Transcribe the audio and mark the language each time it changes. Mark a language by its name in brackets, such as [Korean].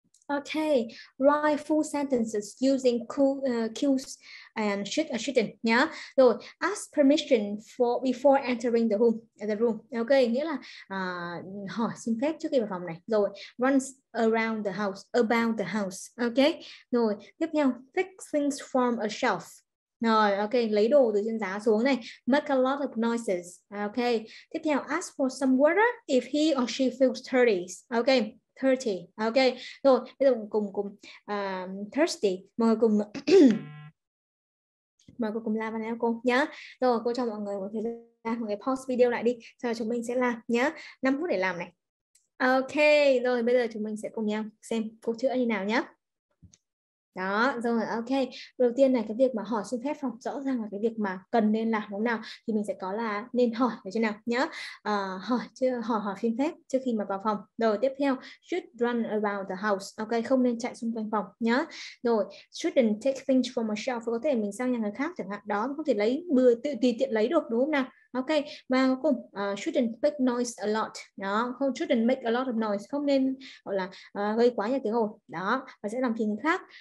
[English] Ok, write full sentences using cues and should or shouldn't. Yeah. Rồi, ask permission before entering the room. [Vietnamese] Ok, nghĩa là hỏi xin phép trước khi vào phòng này. [English] Rồi, runs about the house. Ok, [Vietnamese] rồi, tiếp theo, [English] pick things from a shelf. [Vietnamese] Rồi, ok, lấy đồ từ trên giá xuống này. [English] Make a lot of noises. Ok, [Vietnamese] tiếp theo, [English] ask for some water if he or she feels thirsty. Ok. Thirsty, ok. [Vietnamese] Rồi, bây giờ cùng thirsty. Mọi người cùng mọi người cùng làm này cô nhá. Rồi, cô cho mọi người một thời gian, mọi người pause video lại đi. Sau đó chúng mình sẽ làm nhá. 5 phút để làm này. Ok, rồi bây giờ chúng mình sẽ cùng nhau xem cô chữa như nào nhá. Đó, rồi, ok. Đầu tiên là cái việc mà hỏi xin phép phòng, rõ ràng là cái việc mà cần nên làm đúng không nào, thì mình sẽ có là nên hỏi như thế nào nhá. Hỏi chưa, hỏi hỏi xin phép trước khi mà vào phòng. Rồi tiếp theo, [English] should run around the house. [Vietnamese] Ok, không nên chạy xung quanh phòng nhá. Rồi, [English] shouldn't take things from a shelf. [Vietnamese] Có thể mình sang nhà người khác chẳng hạn. Đó, không thể lấy bừa tự tùy tiện lấy được đúng không nào? [English] Ok, [Vietnamese] và cuối cùng, [English] shouldn't make noise a lot. Đó, không, shouldn't make a lot of noise. [Vietnamese] Không nên gọi là gây quá nhiều tiếng ồn. Đó, và sẽ làm phiền người khác.